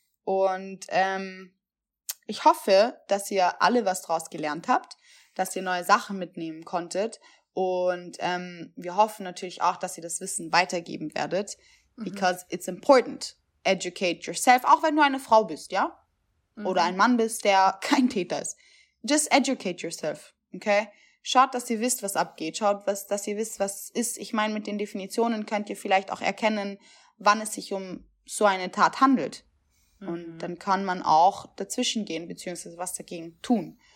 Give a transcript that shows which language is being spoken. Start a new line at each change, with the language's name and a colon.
German: Und ich hoffe, dass ihr alle was draus gelernt habt, dass ihr neue Sachen mitnehmen konntet. Und wir hoffen natürlich auch, dass ihr das Wissen weitergeben werdet.
English: Because it's important. Educate yourself,
German: auch wenn du eine Frau bist, ja? Oder ein Mann bist, der kein Täter ist.
English: Just educate yourself, okay?
German: Schaut, dass ihr wisst, was abgeht. Schaut, dass ihr wisst, was ist. Ich meine, mit den Definitionen könnt ihr vielleicht auch erkennen, wann es sich um so eine Tat handelt. Mhm. Und dann kann man auch dazwischen gehen, beziehungsweise was dagegen tun.